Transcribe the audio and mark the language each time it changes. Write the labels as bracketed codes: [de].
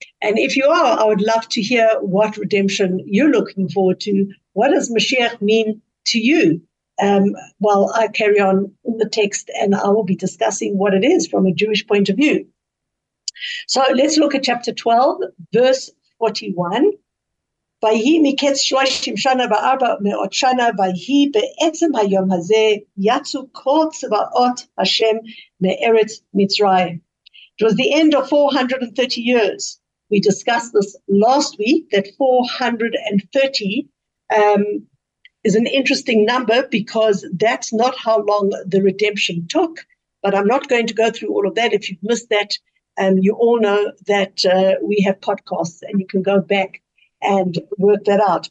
[en] And if you are, I would love to hear what redemption you're looking forward to. What does Mashiach mean to you? Well, I carry on in the text, and I will be discussing what it is from a Jewish point of view. So let's look at chapter 12, verse 41. [he] ויהי מקץ 34 מאות שנה, ויהי בעצם היום הזה, יצאו כל צבאות השם מארץ מצרים. [en] It was the end of 430 years. We discussed this last week, that 430 is an interesting number, because that's not how long the redemption took. But I'm not going to go through all of that. If you've missed that, you all know that we have podcasts, and you can go back and work that out.